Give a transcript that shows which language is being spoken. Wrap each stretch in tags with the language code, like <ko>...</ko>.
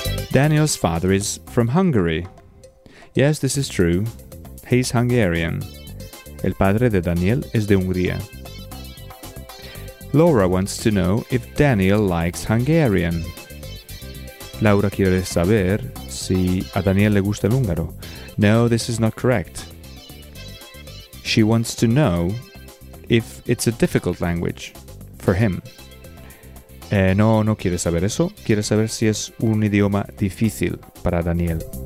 <en>Daniel's father is from Hungary. Yes, this is true. He's Hungarian.</en> <es>El padre de Daniel es de Hungría.</es> <en>Laura wants to know if Daniel likes Hungarian.</en> <es>Laura quiere saber si a Daniel le gusta el húngaro.</es> <en>No, this is not correct. She wants to know if it's a difficult language for him.</en> <es>No quiere saber eso. Quiere saber si es un idioma difícil para Daniel.</es>